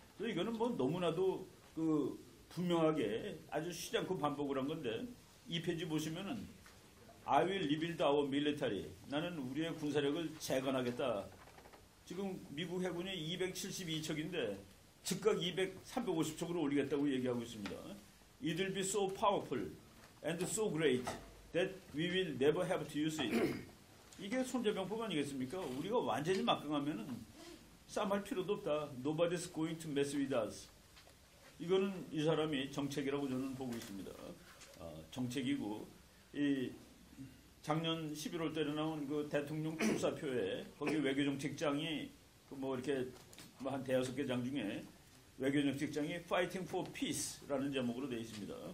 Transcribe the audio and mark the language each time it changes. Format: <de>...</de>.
<ko>이거는 뭐 너무나도 그 분명하게 아주 쉬지 않고 반복을 한 건데 이 페이지 보시면은</ko> <en>I will rebuild our military.</en> <ko>나는 우리의 군사력을 재건하겠다. 지금 미국 해군이 272척인데 즉각 350척으로 올리겠다고 얘기하고 있습니다.</ko> <en>It will be so powerful and so great that we will never have to use it.</en> <ko>이게 손자병법 아니겠습니까? 우리가 완전히 막강하면 싸움할 필요도 없다.</ko> <en>Nobody's going to mess with us.</en> <ko>이거는 이 사람이 정책이라고 저는 보고 있습니다. 정책이고 이 작년 11월 때 나온 그 대통령 출사표에 거기 외교정책장이 뭐 이렇게 뭐 한 대여섯 개 장 중에 외교정책장이 Fighting for Peace라는 제목으로 되어 있습니다.</ko>